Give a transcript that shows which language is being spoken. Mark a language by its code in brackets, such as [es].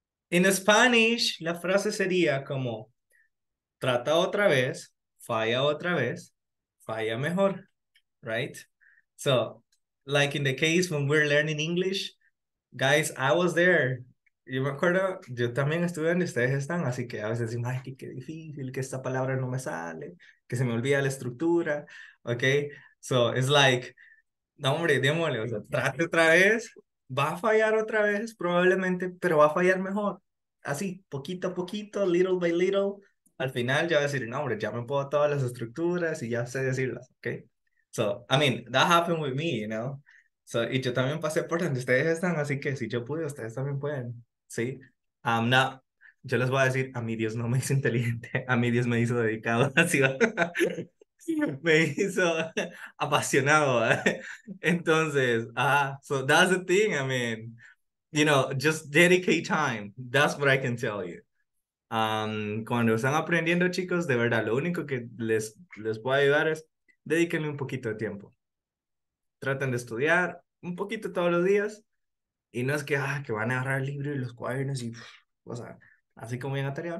[en] In Spanish, [es] la frase sería como, trata otra vez, falla otra vez, falla mejor, right? [en] So, like in the case when we're learning English, guys, I was there. [es] Yo me acuerdo, yo también estuve donde ustedes están, así que a veces decimos, ay, qué difícil, que esta palabra no me sale, que se me olvida la estructura, okay? [en] So, it's like, [es] no, hombre, démosle, o sea, trate otra vez, va a fallar otra vez, probablemente, pero va a fallar mejor. Así, poquito a poquito, [en] little by little, [es] al final ya va a decir, no, hombre, ya me puedo todas las estructuras y ya sé decirlas, okay? [en] So, I mean, that happened with me, you know? [es] So, y yo también pasé por donde ustedes están, así que si yo pude, ustedes también pueden, ¿sí? No, yo les voy a decir, a mí Dios no me hizo inteligente, a mí Dios me hizo dedicado, así va. Me hizo apasionado, ¿eh? [en] Entonces, so that's the thing, I mean, you know, just dedicate time, that's what I can tell you. [es] Cuando están aprendiendo, chicos, de verdad, lo único que les puedo ayudar es, dedíquenle un poquito de tiempo. Traten de estudiar un poquito todos los días. Y no es que, que van a agarrar el libro y los cuadernos y, o sea, así como bien atareado.